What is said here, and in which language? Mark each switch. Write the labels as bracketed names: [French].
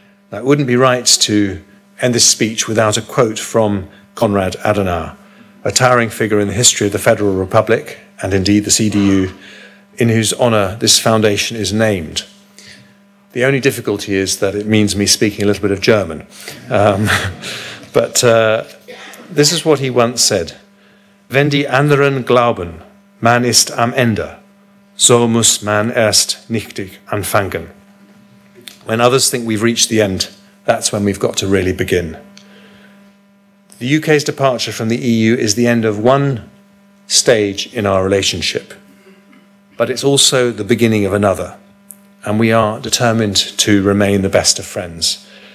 [English] Now, it wouldn't be right to end this speech without a quote from Konrad Adenauer, a towering figure in the history of the Federal Republic, and indeed the CDU, in whose honour this foundation is named. The only difficulty is that it means me speaking a little bit of German. This is what he once said. [German] Wenn die anderen glauben, man ist am Ende, so muss man erst nichtig anfangen. [English] When others think we've reached the end, that's when we've got to really begin. The UK's departure from the EU is the end of one stage in our relationship, but it's also the beginning of another, and we are determined to remain the best of friends.